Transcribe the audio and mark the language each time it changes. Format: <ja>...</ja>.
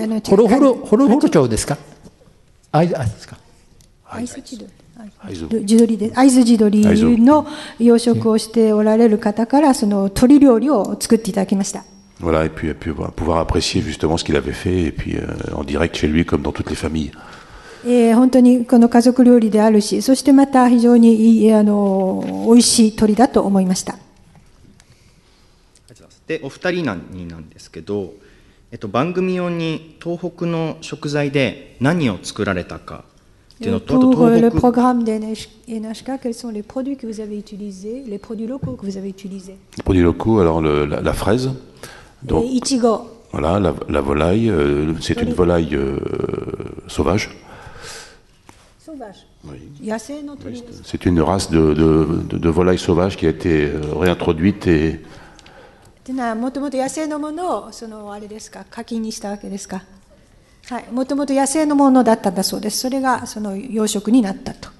<fr>Horohoro-chou, n'est-ce pas?</fr> <ja>アイズジドリの養殖をしておられる方からその鶏料理を作っていただきました。</ja> <fr>Voilà, et puis pouvoir apprécier justement ce qu'il avait fait, et puis en direct chez lui, comme dans toutes les familles.</fr> <ja>本当にこの家族料理であるし、そしてまた非常に美味しい鶏だと思いました。で、お二人なんですけど、番組用に東北の食材で何を作られたか。</ja> <fr>Pour le programme d'NHK, quels sont les produits que vous avez utilisés, les produits locaux que vous avez utilisés? Les produits locaux, alors la fraise. Donc, et Ichigo. Voilà, la volaille, c'est une volaille sauvage. Sauvage? Oui. C'est une race de volaille sauvage qui a été réintroduite et... C'est-à-dire, c'est-à-dire,</fr> <ja>はい、もともと野生のものだったんだそうです。それがその養殖になったと。</ja>